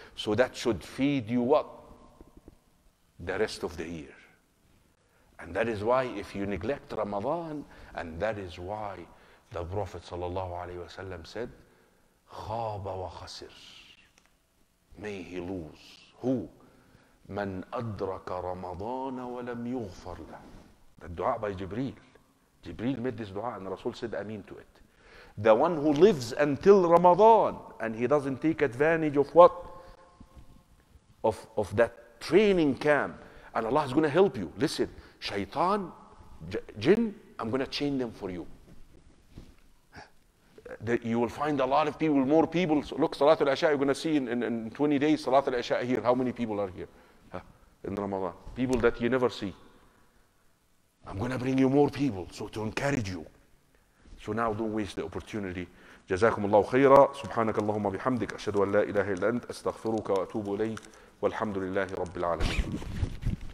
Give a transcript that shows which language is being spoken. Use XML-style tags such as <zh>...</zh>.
<en>So that should feed you what? The rest of the year. And that is why if you neglect Ramadan, and that is why the Prophet sallallahu alaihi wasallam said,</en> <ar>خَابَ وَخَسِرْ.</ar> <en>May he lose. Who?</en> <ar>من أدرك رمضان ولم يغفر له.</ar> <en>The dua by Jibreel. Jibreel made this dua and Rasul said Ameen to it. The one who lives until Ramadan and he doesn't take advantage of what? Of that training camp. And Allah is going to help you. Listen, shaitan, jinn, I'm going to chain them for you. You will find a lot of people, more people. So look, Salat al-Asha, you're going to see in 20 days, Salat al-Asha here. How many people are here? In Ramadan, people that you never see. I'm going to bring you more people so to encourage you. So now don't waste the opportunity.</en> <ar>جزاكم الله خيرا. سبحانك اللهم بحمدك. أشهد أن لا إله إلا أنت. أستغفرك وأتوب إليك. والحمد لله رب العالمين.</ar>